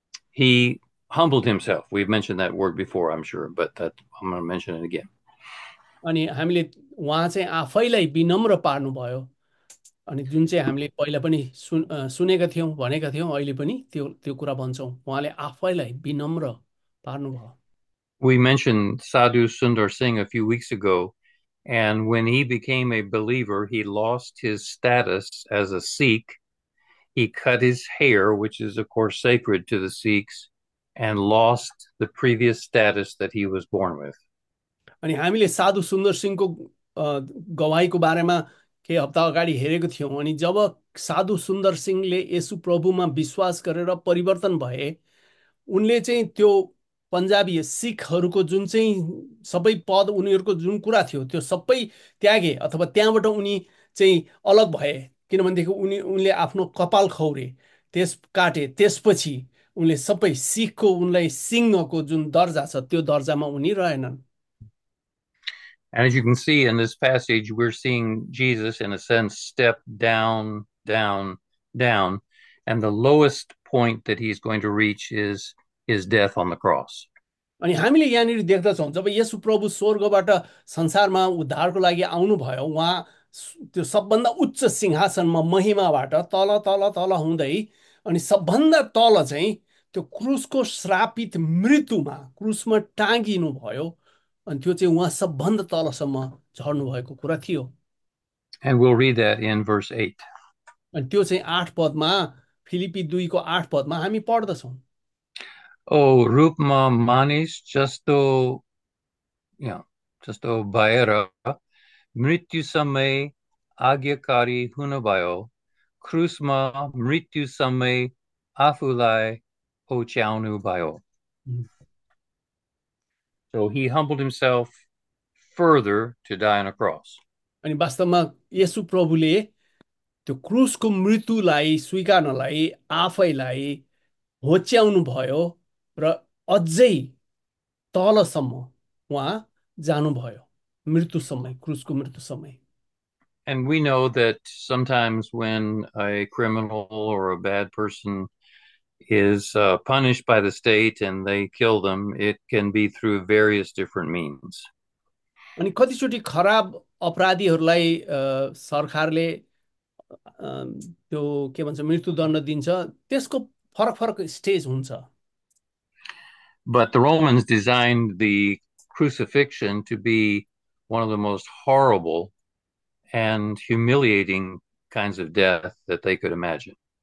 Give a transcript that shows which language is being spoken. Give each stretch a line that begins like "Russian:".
English: He humbled himself. We've mentioned that word before, I'm sure, but that I'm going to mention it again.
Nepali: अनि हामीले उहाँ चाहिँ आफैलाई विनम्र पार्नुभयो, अनि जुन चाहिँ हामीले पहिला पनि सुनेका थियौँ, भनेका थियौँ, अहिले पनि त्यो त्यो कुरा भन्छौँ, उहाँले आफैलाई विनम्र पार्नुभयो.
English: We mentioned Sadhu Sundar Singh a few weeks ago, and when he became a believer, he lost his status as a Sikh. He cut his hair, which is, of course, sacred to the Sikhs, and lost the previous status that he was born with.
Nepali: अनि हामीले साधु सुन्दर सिंहको गवाईको बारेमा केही हप्ता अगाडि हेरेको थियौँ. अनि जब साधु सुन्दर सिंहले येशु प्रभुमा विश्वास गरेर परिवर्तन भए, उनले चाहिँ त्यो पन्जाबी सिखहरूको जुन चाहिँ सबै पद, उनीहरूको जुन कुरा थियो त्यो सबै त्यागे, अथवा त्यहाँबाट उनी चाहिँ अलग भए. किनभनेदेखि उनले आफ्नो कपाल खौरे, त्यस काटे, त्यसपछि उनले सबै सिखको, उनलाई सिंहको जुन दर्जा छ त्यो दर्जामा उनी रहेनन्।
English: And as you can see in this passage, we're seeing Jesus, in a sense, step down, down, down. And the lowest point that he's going to reach is his death on the cross.
Nepali: अनि हामीले यहाँनिर देख्दछौँ, जब येशु प्रभु स्वर्गबाट संसारमा उद्धारको लागि आउनुभयो, उहाँ त्यो सबभन्दा उच्च सिंहासनमा, महिमाबाट तल तल तल हुँदै, अनि सबभन्दा तल चाहिँ त्यो क्रुसको श्रापित मृत्युमा, क्रुसमा टाँगिनुभयो, अनि त्यो चाहिँ उहाँ सबभन्दा तलसम्म झर्नुभएको कुरा थियो.
English: And we'll read that in verse 8.
Nepali: अनि त्यो चाहिँ आठ पदमा, फिलिपी 2:8 हामी पढ्दछौँ. O rupma manis justo, justo bhaera, mrityu samay agyakari hunabayo, krusma mrityu samay afulai ochaunu bayo.
English: So he humbled himself further to die on a cross.
Nepali: अनि वास्तवमा येशु प्रभुले त्यो क्रुसको मृत्युलाई स्वीकार्नलाई आफैलाई होच्याउनु भयो, र अझै तलसम्म उहाँ जानुभयो, मृत्यु समय, क्रुसको मृत्यु समय.
English: And we know that sometimes when a criminal or a bad person is punished by the state and they kill them, it can be through various different means.
Nepali: अनि कतिचोटि खराब अपराधीहरूलाई सरकारले त्यो के भन्छ मृत्युदण्ड दिन्छ, त्यसको फरक फरक स्टेज हुन्छ.
English: But the Romans designed the crucifixion to be one of the most horrible and humiliating kinds of death that they could imagine.